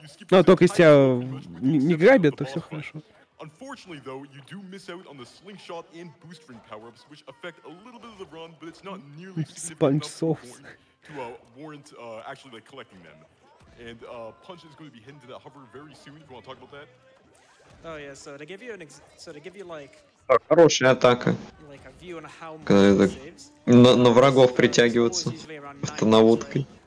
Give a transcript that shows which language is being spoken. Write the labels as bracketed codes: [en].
[ru] Но только если тебя не грабят, то все хорошо. [en] Unfortunately, though, you do miss out on the slingshot and boost ring power-ups, which affect a little bit of the run, but it's not nearly Sponge Souls to warrant actually like collecting them. And Punch is going to be heading to that hover very soon. If you want to talk about that? Oh yeah. So to give you an [ru] Хорошая атака. На врагов притягиваться автонаводкой.